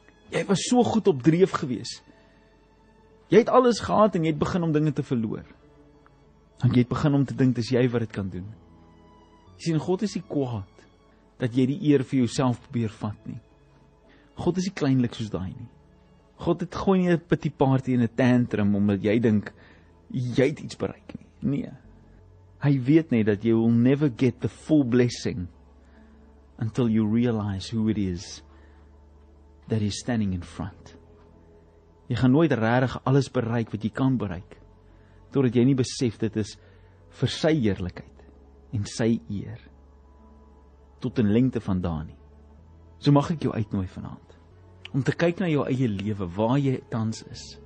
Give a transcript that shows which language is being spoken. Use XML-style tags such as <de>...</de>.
<af>Jy was so goed op dreef gewees, jy het alles gehad, en jy het begin om dinge te verloor, en jy het begin om te dink, dis jy wat het kan doen. Jy sien, God is die kwaad, dat jy die eer vir jouself probeer vat nie. God is nie kleinlik soos daai nie. God het gooi nie 'n petit party en 'n tantrum, omdat jy dink, jy het iets bereik nie. Nee. Hy weet nie, dat</af> <en>you will never get the full blessing, until you realize who it is, that is standing in front.</en> <af>Jy gaan nooit regtig alles bereik, wat jy kan bereik, totdat jy nie besef, dit is vir sy heerlikheid, en sy eer, tot in lengte van daar nie. So mag ek jou uitnooi vanavond, om te kyk na jou eie lewe, waar jy tans is.</af>